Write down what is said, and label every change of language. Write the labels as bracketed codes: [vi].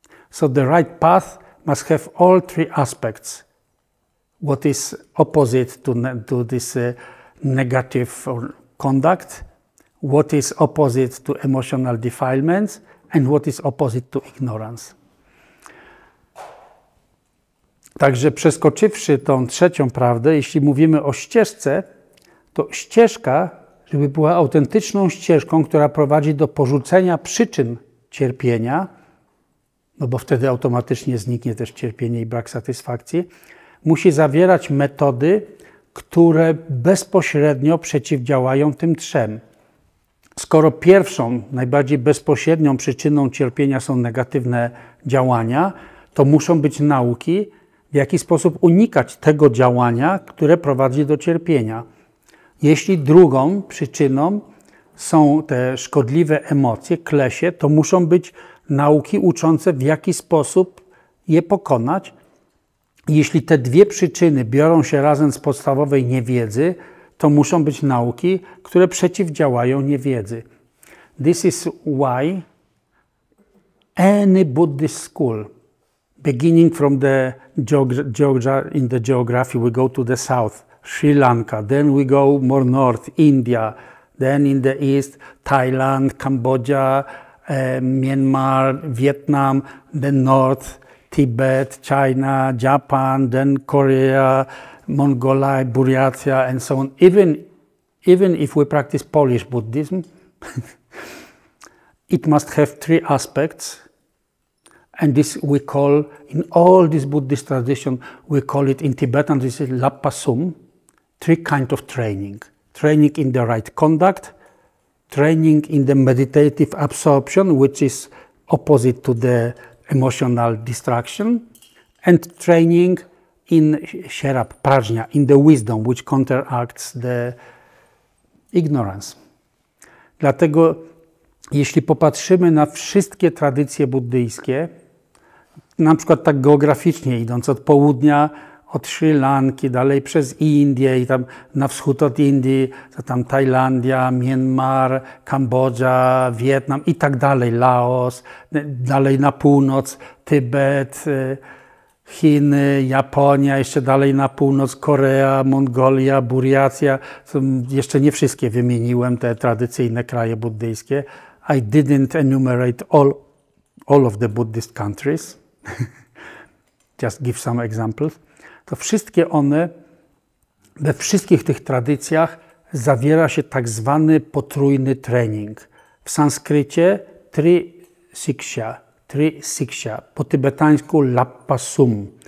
[en] So the right path must have all three aspects. What is opposite to this negative conduct, what is opposite to emotional defilements, and what is opposite to ignorance. [pl] Także przeskoczywszy tą trzecią prawdę, jeśli mówimy o ścieżce, to ścieżka, żeby była autentyczną ścieżką, która prowadzi do porzucenia przyczyn cierpienia, no bo wtedy automatycznie zniknie też cierpienie i brak satysfakcji, musi zawierać metody, które bezpośrednio przeciwdziałają tym trzem. Skoro pierwszą, najbardziej bezpośrednią przyczyną cierpienia są negatywne działania, to muszą być nauki, w jaki sposób unikać tego działania, które prowadzi do cierpienia. Jeśli drugą przyczyną są te szkodliwe emocje, klesie, to muszą być nauki uczące, w jaki sposób je pokonać. Jeśli te dwie przyczyny biorą się razem z podstawowej niewiedzy, to muszą być nauki, które przeciwdziałają niewiedzy. [en] This is why any Buddhist school, beginning from the Georgia, in the geography, we go to the south, Sri Lanka, then we go more north, India, then in the east, Thailand, Cambodia, Myanmar, Vietnam, the north, Tibet, China, Japan, then Korea, Mongolia, Buryatia, and so on. Even if we practice Polish Buddhism, it must have three aspects. And this we call, in all this Buddhist tradition, we call it in Tibetan, this is Lapa Sum, three kinds of training. Training in the right conduct, training in the meditative absorption, which is opposite to the emotional distraction, and training in sharap, prajna, in the wisdom, which counteracts the ignorance. [pl] Dlatego, jeśli popatrzymy na wszystkie tradycje buddyjskie, na przykład tak geograficznie, idąc od południa, od Sri Lanki, dalej przez Indię i tam na wschód od Indii, to tam Tajlandia, Myanmar, Kambodża, Wietnam i tak dalej, Laos, dalej na północ, Tybet, Chiny, Japonia, jeszcze dalej na północ, Korea, Mongolia, Buryatia. Jeszcze nie wszystkie wymieniłem, te tradycyjne kraje buddyjskie. [en] I didn't enumerate all of the Buddhist countries. Just give some examples. [pl] To wszystkie one, we wszystkich tych tradycjach zawiera się tak zwany potrójny trening. W sanskrycie tri siksha, po tybetańsku lappa sum.